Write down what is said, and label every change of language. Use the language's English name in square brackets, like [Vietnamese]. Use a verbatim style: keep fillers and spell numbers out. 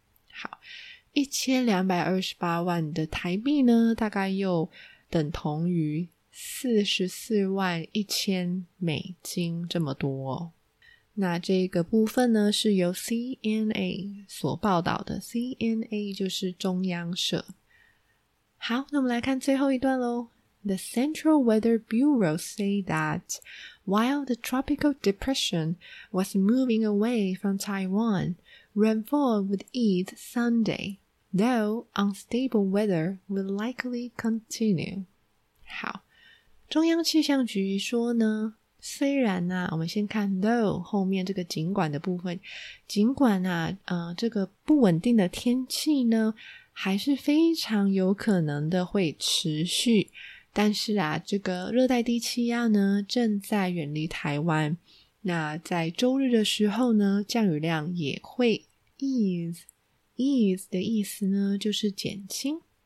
[Chinese] 好，一千两百二十八万的台币呢大概又等同于四十四万一千美金这么多哦。那这个部分呢是由 C N A 所报道的， C N A 就是中央社。好，那我们来看最后一段咯。 [English] The Central Weather Bureau say that while the tropical depression was moving away from Taiwan, rainfall would ease Sunday, though unstable weather will likely continue. [Chinese] 好，中央气象局说呢，虽然啊，我们先看 though 后面这个尽管的部分，尽管啊，呃，这个不稳定的天气呢，还是非常有可能的会持续，但是啊，这个热带低气压呢，正在远离台湾，那在周日的时候呢，降雨量也会 ease， ease 的意思呢，就是减轻。